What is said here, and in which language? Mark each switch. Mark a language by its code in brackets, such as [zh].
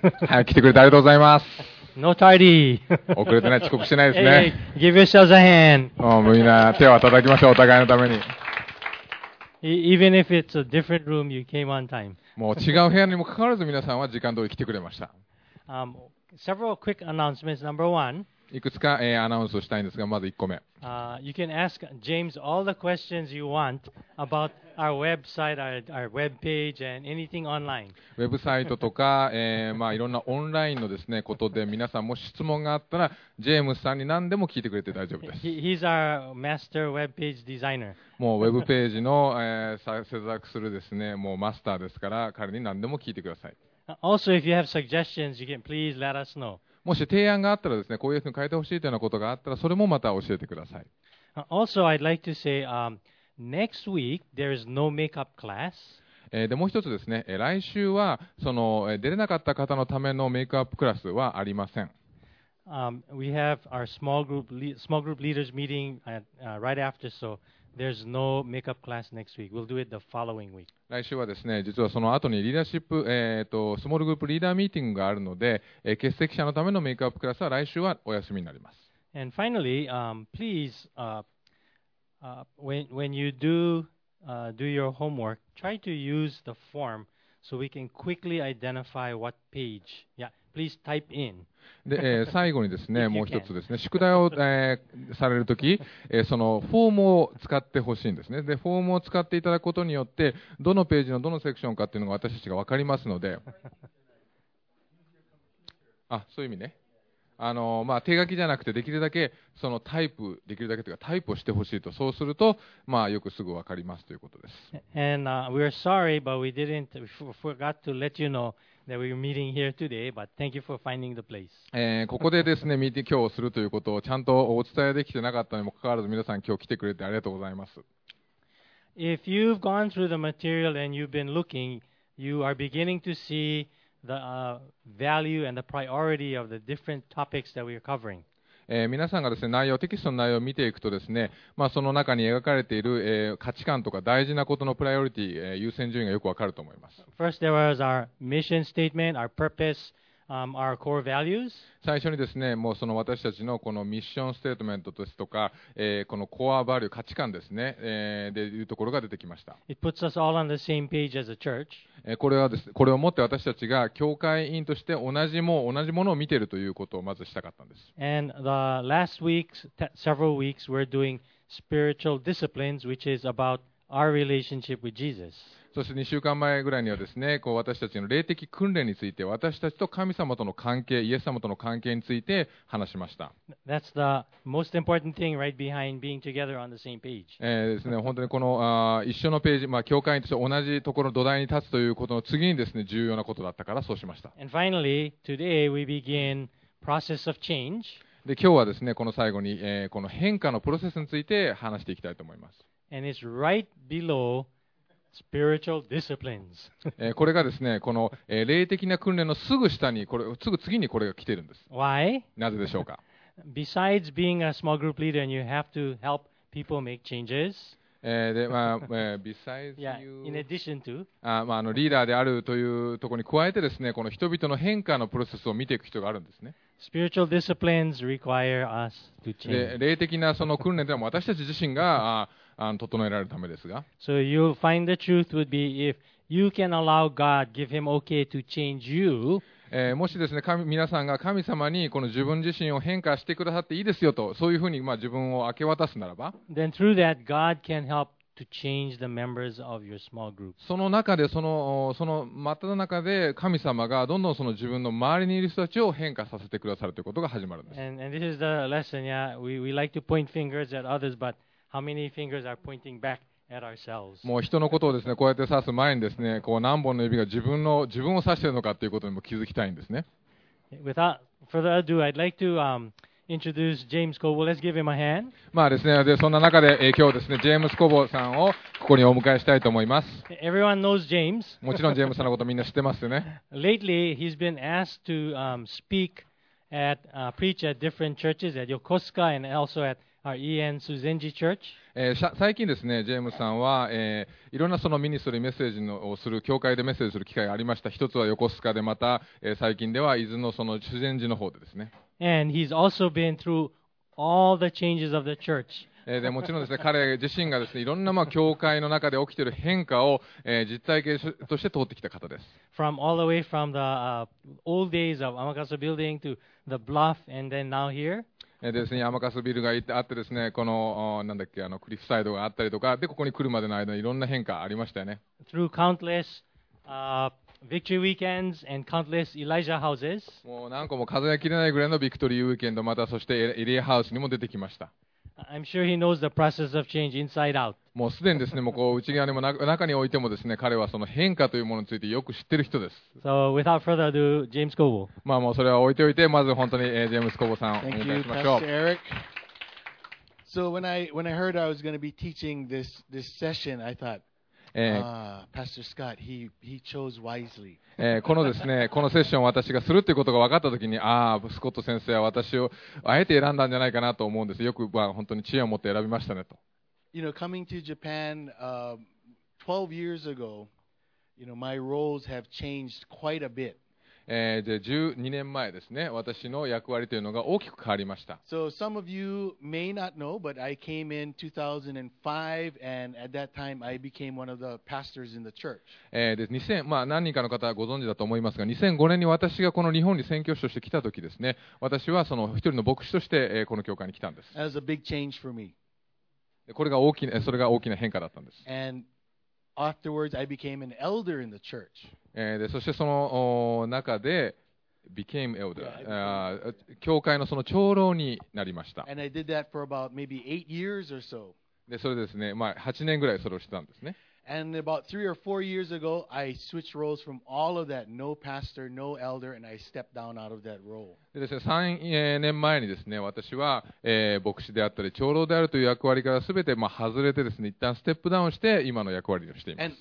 [ja] 早く来てくれてありがとうございます。 [en] No tardy. [ja] 遅れてない、遅刻してないですね。 [en] Hey, give yourselves a hand. [ja] もうみんな手を叩きましょう、お互いのために。 [en] Even if it's a different room, you came on time. [ja] もう違う部屋にもかかわらず皆さんは時間通り来てくれました。 [en] Several quick announcements. Number one. [ja] いくつか、アナウンスをしたいんですが、まず1個目。 [en] You can ask James all the questions you want about our website, our web page, and anything online. [ja] ウェブサイトとか、まあ、いろんなオンラインのですね、ことで皆さんも質問があったら、ジェームスさんに何でも聞いてくれて大丈夫です。 [en] He's our master web page designer. [ja] もうウェブページの、制作するですね、もうマスターですから、彼に何でも聞いてください。 [en] Also, if you have suggestions, you can please let us know. [ja] もし提案があったらですね、こういうふうに変えてほしいというようなことがあったら、それもまた教えてください。 [en] Also, I'd like to say, next week, there is no makeup class. [ja] で、もう一つですね、来週は、その、出れなかった方のためのメイクアップクラスはありません。 [en] We have our small group leaders meeting right after, so... There's no makeup class next week. We'll do it the following week. [ja] 来週はですね、実はその後にリーダーシップ、スモールグループリーダーミーティングがあるので、欠席者のためのメイクアップクラスは来週はお休みになります。 [en] And finally, please, when you do, do your homework, try to use the form so we can quickly identify what page. Yeah. Please type in. [ja] で、最後にですね、もう一つですね、宿題を、されるとき、そのフォームを使ってほしいんですね。で、フォームを使っていただくことによって、どのページのどのセクションかっていうのが私たちが分かりますので、あ、そういう意味ね。まあ、手書きじゃなくて、できるだけそのタイプ、できるだけというかタイプをしてほしいと、そうすると、まあ、よくすぐ分かりますということです。 [en] And, we're sorry, but we didn't, we forgot to let you know. That we're meeting here today, but thank you for finding the place. [ja] ここでですね、ミーティング今日をするということをちゃんとお伝えできてなかったにもかかわらず、皆さん今日来てくれてありがとうございます。 [en] If you've gone through the material and you've been looking, you are beginning to see the value and the priority of the different topics that we are covering. [ja] 皆さんがですね、内容、テキストの内容を見ていくとですね、まあ、その中に描かれている、価値観とか大事なことのプライオリティ、優先順位がよくわかると思います。 [en] First, there was our mission statement, our purpose, our core values. [ja] 最初にですね、もうその私たちのこのミッションステートメントですとか、このコアバリュー、価値観ですね、でいうところが出てきました。 [en] It puts us all on the same page as a church. [ja] これはですね、これをもって私たちが教会員として同じものを見ているということをまずしたかったんです。 [en] And the last week, several weeks, we're doing spiritual disciplines, which is about our relationship with Jesus. [ja] そして2週間前ぐらいにはですね、こう私たちの霊的訓練について、私たちと神様との関係、イエス様との関係について話しました。 [en] That's the most important thing right behind being together on the same page. [ja] ですね、本当にこの一緒のページ、まあ、教会員として同じところの土台に立つということの次にですね、重要なことだったからそうしました。 [en] And finally, today we begin process of change. [ja] で、今日はですね、この最後に、この変化のプロセスについて話していきたいと思います。 [en] And it's right below... Spiritual disciplines. [ja] これがですね、この、霊的な訓練のすぐ下に、これすぐ次にこれが来てるんです。 [en] Why? [ja] なぜでしょうか。 [en] Besides being a small group leader and you have to help people make changes. で、まあ、besides you. Yeah, in addition to. [ja] まあ、リーダーであるというところに加えてですね、この人々の変化のプロセスを見ていく人があるんですね。 [en] Spiritual disciplines require us to change. [ja] 霊的なその訓練では私たち自身が整えられるためですが。 [en] So you'll find the truth would be if you can allow God, give him okay to change you. [ja] もしですね、皆さんが神様にこの自分自身を変化してくださっていいですよと、そういうふうにまあ自分を明け渡すならば。 [en] Then through that, God can help to change the members of your small group. [ja] その中で、その真っ只中で神様がどんどんその自分の周りにいる人たちを変化させてくださるということが始まるんです。 [en] And this is the lesson, yeah. We like to point fingers at others, but. How many fingers are pointing back at ourselves? [ja] もう人のことをですね、こうやって指す前にですね、こう何本の指が自分を指しているのかということにも気づきたいんですね。 [en] Without further ado, I'd like to introduce James Cobo. Let's give him a hand. [ja] まあですね、でそんな中で、今日ですね、ジェームス・コボさんをここにお迎えしたいと思います。 [en] Everyone knows James. [ja] もちろんジェームスさんのことみんな知ってますよね。 [en] Lately, he's been asked to speak at preach at different churches at Yokosuka and also at Our EN Suzenji Church. [ja] 最近ですね、ジェームスさんは、いろんなそのミニストリーメッセージのをする教会でメッセージする機会がありました。一つは横須賀で、また、最近では伊豆のその修善寺の方でですね。 [en] And he's also been through all the changes of the church. [ja] でもちろんですね、彼自身がですね、いろんなまあ教会の中で起きている変化を、実体験として通ってきた方です。 [en] From all the way from the old days of Amakasa Building to the Bluff, and then now here. [ja] ですね、山笠ビルがあってですね、このなんだっけ、あのクリフサイドがあったりとかで、ここに来るまでの間にいろんな変化ありましたよね。 [en] Through countless, victory weekends and countless Elijah houses. [ja] もう何個も数え切れないぐらいのビクトリーウィーケンド、またそしてエリアハウスにも出てきました。 [en] I'm sure he knows the process of change inside out. [ja] もうすでにですね、もうこう内側にも中においてもですね、彼はその変化というものについてよく知ってる人です。 [en] So without further ado, James Cobo. [ja] まあもうそれは置いておいて、まず本当に、ジェームス・コボさんをお迎えしましょう。 [en] Thank you, Pastor Eric. So when I heard I was going to be teaching this session, I thoughtPastor Scott, he chose wisely. [ja] このですね、このセッションを私がするということが分かったときに、ああ、スコット先生は私をあえて選んだんじゃないかなと思うんです。よく本当に知恵を持って選びましたねと。 [en] You know, coming to Japan, 12 years ago, you know, my roles have changed quite a bit. [ja] で12年前ですね、私の役割というのが大きく変わりました。 [en] So some of you may not know, but I came in 2005 and at that time I became one of the pastors in the church. [ja] で2000、まあ何人かの方はご存知だと思いますが、2005年に私がこの日本に宣教師として来た時ですね、私はその一人の牧師としてこの教会に来たんです。 [en] That was a big change for me. [ja] これが大きな、それが大きな変化だったんです。 [en] And afterwards I became an elder in the church. [ja] でそしてその中で [en] became elder、yeah, became... [ja] 教会のその長老になりました。 [en] And I did that for about maybe 8 years or so. [ja] でそれですね、まあ、8年ぐらいそれをしてたんですね。 [en] And about 3 or 4 years ago I switched roles from all of that, no pastor, no elder, and I stepped down out of that role. [ja] でですね、3年前にですね、私は、牧師であったり長老であるという役割からすべて、まあ、外れてですね、一旦ステップダウンして今の役割をしています。